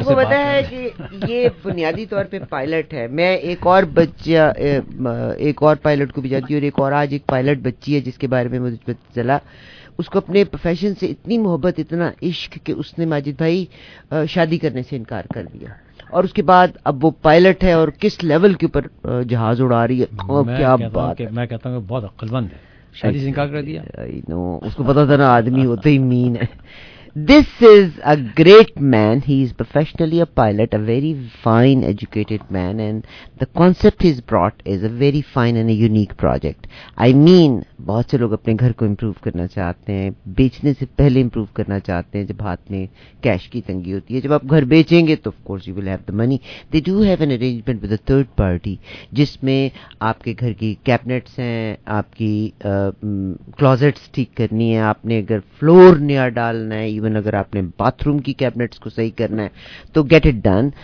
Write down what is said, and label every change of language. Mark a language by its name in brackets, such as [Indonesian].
[Urdu] آپ کو پتا ہے کہ یہ بنیادی طور پہ پائلٹ ہے، میں ایک اور بچہ ایک اور پائلٹ کو بھی جاتی ہوں، اور ایک اور آج ایک پائلٹ بچی ہے جس کے بارے میں مجھے پتہ چلا، اس کو اپنے پروفیشن سے اتنی محبت اتنا عشق کہ اس نے ماجد بھائی شادی کرنے سے انکار کر دیا، اور اس کے بعد اب وہ پائلٹ ہے اور کس لیول کے اوپر جہاز اڑا رہی ہے. کیا بات ہے، میں کہتا ہوں کہ بہت عقل مند ہے، شادی سے انکار کر دیا. اس کو پتا تھا نا آدمی ہوتا ہی مین ہے. [English] This is a great man, he is professionally a pilot, a very fine educated man, and the concept has brought is a very fine and a unique project. [Urdu] آئی مین بہت سے لوگ اپنے گھر کو امپروو کرنا چاہتے ہیں، بیچنے سے پہلے امپروو کرنا چاہتے ہیں جب ہاتھ میں کیش کی تنگی ہوتی ہے. جب آپ گھر بیچیں گے تو of course you will have the money. [English] they do have an arrangement with a third party [Urdu] جس میں آپ کے گھر کی کیبنٹس ہیں، آپ کی کلوزٹس ٹھیک کرنی ہے، آپ نے اگر فلور نیا ڈالنا ہے، ایون اگر آپ نے باتھ روم کی کیبنٹس کو صحیح کرنا ہے، تو [English] Get it done.